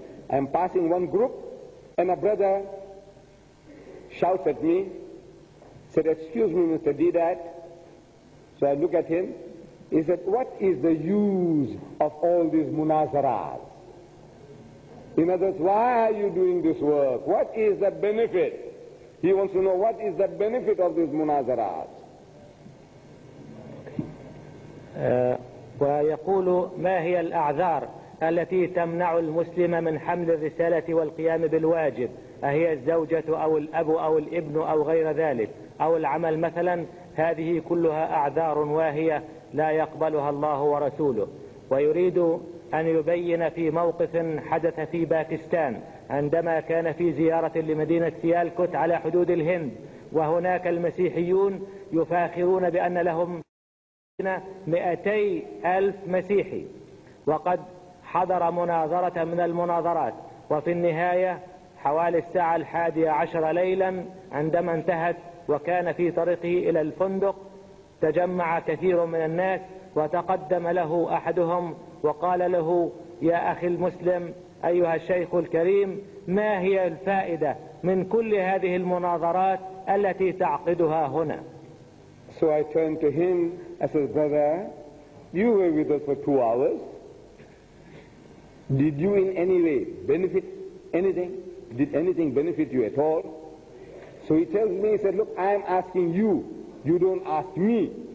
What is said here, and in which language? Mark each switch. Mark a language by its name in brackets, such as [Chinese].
[English] I'm passing one group, and a brother shouts at me, said, excuse me, Mr. Deedat. So I look at him. He said, what is the use of all these munazaras? In other words, why are you doing this work? What is the benefit? He wants to know, what is the benefit of this munazarat? [Arabic] ويقول ما هي الأعذار التي تمنع المسلم من حمل الرسالة والقيام بالواجب؟ أهي الزوجة أو الأب أو الابن أو غير ذلك أو العمل مثلا؟ هذه كلها أعذار واهية لا يقبلها الله ورسوله. ويريد أن يبين في موقف حدث في باكستان عندما كان في زيارة لمدينة سيالكوت على حدود الهند، وهناك المسيحيون يفاخرون بأن لهم 200,000 مسيحي، وقد حضر مناظرة من المناظرات. وفي النهاية حوالي الساعة 11 ليلا عندما انتهت وكان في طريقه إلى الفندق، تجمع كثير من الناس، وتقدم له أحدهم وقال له، يا أخي المسلم، أيها الشيخ الكريم، ما هي الفائدة من كل هذه المناظرات التي تعقدها هنا؟ [English] So I turned to him. I said, brother, you were with us for 2 hours. Did you in any way benefit anything? Did anything benefit you at all? So he tells me, he said, look, I am asking you. You don't ask me.